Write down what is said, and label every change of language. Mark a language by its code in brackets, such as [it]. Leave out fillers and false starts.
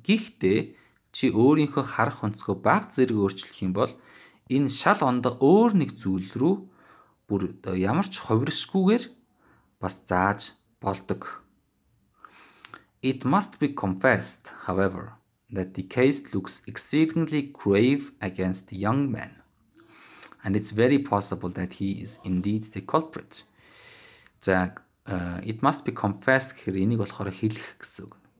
[mn] Гэхдээ чи өөрийнхөө харах өнцгөө баг зэрэг өөрчлөх юм бол энэ шал ондоо өөр нэг зүйл рүү бүр ямар ч ховиршгүйгээр бас зааж болдог. [en] It must be confessed, however, that the case looks exceedingly grave against the young man, and it's very possible that he is indeed the culprit. [mn] За, [en] it must be confessed [mn] гэхэр энийг болохоор хэлэх гэсэн үг.